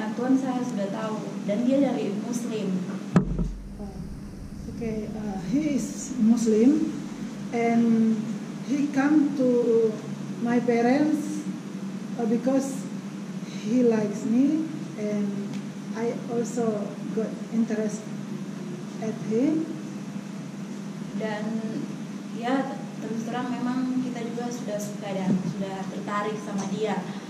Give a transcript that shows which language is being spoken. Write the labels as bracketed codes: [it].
[id] anak Tuhan saya sudah tahu dan dia dari Muslim. [en] Okay, he is Muslim. And he come to my parents because he likes me, and I also got interest at him. [id] Dan ya terus terang memang kita juga sudah suka dan sudah tertarik sama dia.